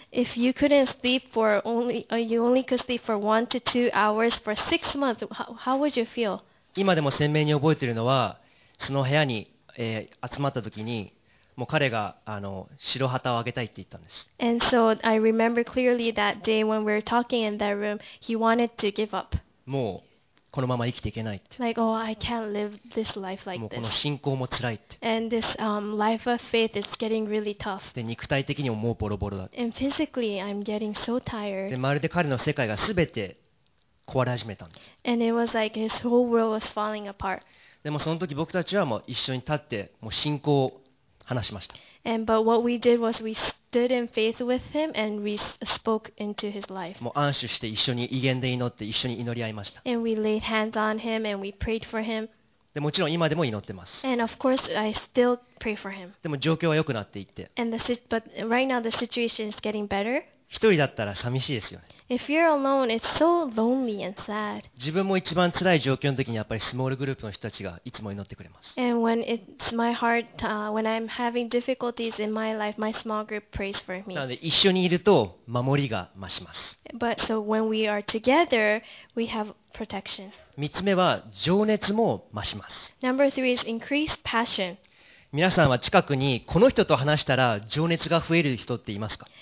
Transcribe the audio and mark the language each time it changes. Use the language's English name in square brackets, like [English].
[English] If you couldn't sleep for you only could sleep for 1 to 2 hours for 6 months, how would you feel? [Japanese] 今でも鮮明に覚えているのは、その部屋に、集まった時にもう彼が白旗をあげたいって言ったんです。 [English] And so I remember clearly that day when we were talking in that room, he wanted to give up. [Japanese] もうこのまま生きていけないって。 [English] Like, oh, I can't live this life like this. [Japanese] もうこの信仰も辛いって。 [English] And this, life of faith is getting really tough. [Japanese] で、肉体的にももうボロボロだって。 [English] And physically, I'm getting so tired. [Japanese] で、まるで彼の世界がすべて壊れ始めたんです。 [English] And it was like his whole world was falling apart. [Japanese] でもその時僕たちはもう一緒に立ってもう信仰を話しました。 [English] And but what we did was we stood in faith with him and we spoke into his life. [Japanese] もう安守して一緒に威厳で祈って一緒に祈り合いました。 [English] And we laid hands on him and we prayed for him. [Japanese] でもちろん今でも祈ってます。 [English] And of course I still pray for him. [Japanese] でも状況は良くなっていって。 [English] And the but right now the situation is getting better. [Japanese] 一人だったら寂しいですよね。 [English] If you're alone, it's so lonely and sad. [Japanese] 自分も一番辛い状況の時にやっぱりスモールグループの人たちがいつも祈ってくれます。 [English] And when it's my heart, when I'm having difficulties in my life, my small group prays for me. [Japanese] なので一緒にいると守りが増します。 [English] But so when we are together, we have protection. [Japanese] 三つ目は情熱も増します。 [English] Number three is increased passion. [Japanese] 皆さんは近くにこの人と話したら情熱が増える人っていますか？